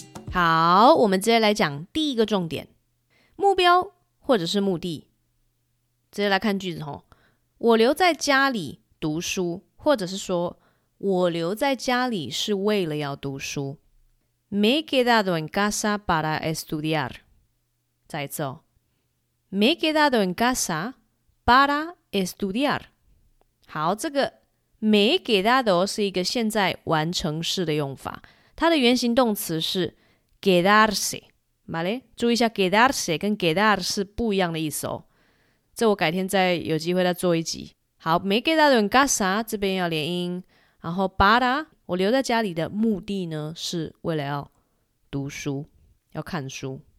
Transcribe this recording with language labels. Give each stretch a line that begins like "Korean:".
Chinese: 好，我们直接来讲第一个重点，目标或者是目的。直接来看句子吼，我留在家里读书，或者是说我留在家里是为了要读书。
Spanish: Me he quedado en casa para estudiar。
Chinese: 再一次哦，
Spanish: Me he quedado en casa para estudiar。
Chinese: 好，这个
Spanish: Me he quedado
Chinese: 是一个现在完成式的用法，它的原型动词是 quedarse。
Spanish: Vale？
Chinese: 注意一下 quedarse 跟 quedar 是不一样的意思哦，这我改天再有机会再做一集。好，
Spanish: me he quedado en casa
Chinese: 这边要连音，然后 para 我留在家里的目的呢，是为了要读书，要看书。